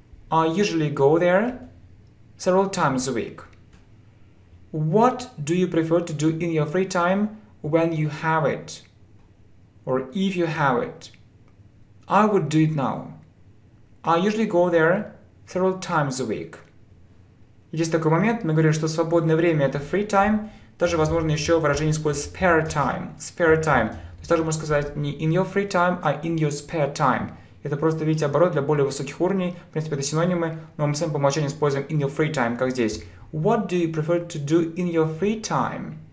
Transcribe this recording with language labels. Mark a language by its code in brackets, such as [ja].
[en] I usually go there several times a week. What do you prefer to do in your free time when you have it? Or if you have it? I would do it now. I usually go there several times a week. [ru] Есть такой момент, мы говорим, что свободное время — это free time. Даже, возможно, еще выражение используется spare time. [en] Spare time. [ru] То есть также можно сказать не [en] in your free time, а in your spare time. [ru] Это просто, видите, оборот для более высоких уровней. В принципе, это синонимы, но мы с вами по умолчанию используем [en] in your free time, [ru] как здесь. [en] What do you prefer to do in your free time?